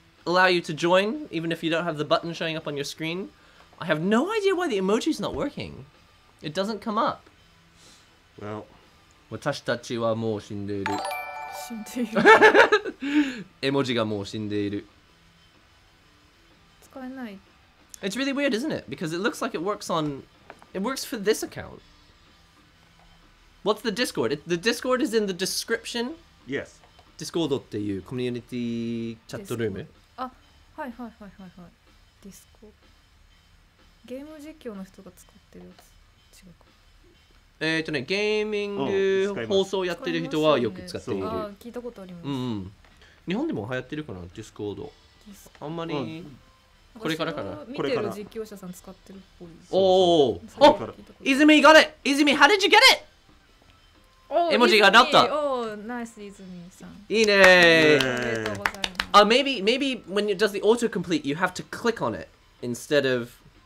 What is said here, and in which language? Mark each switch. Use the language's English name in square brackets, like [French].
[English] allow you to join, even if you don't have the button showing up on your screen. I have no idea why the emoji's not working. It doesn't come up. Well... [Japanese] 私たちはもう死んでいる。死んでいる。絵文字がもう死んでいる。使えない。 [English] It's really weird, isn't it? Because it looks like it works for this account. What's the Discord? The Discord is in the description? Yes. [Japanese] Discord っていうコミュニティチャットルーム。はい。ディスコ。ゲーム実況の人が使ってるやつ。違うか。ゲーミング放送やってる人はよく使っている。ね、聞いたことあります、うん。日本でも流行ってるかな、ディスコード。あんまり、これからかな。見てる実況者さん使ってるっぽい。おお。おっ、泉、 [English] got it! [Japanese] 泉、 [English] how did you get it? [Japanese] 絵文字が鳴った。おお、ナイス、泉さん。いいねー。ありがとうございます。 [English] Maybe when it does the autocomplete, you have to click on it instead of...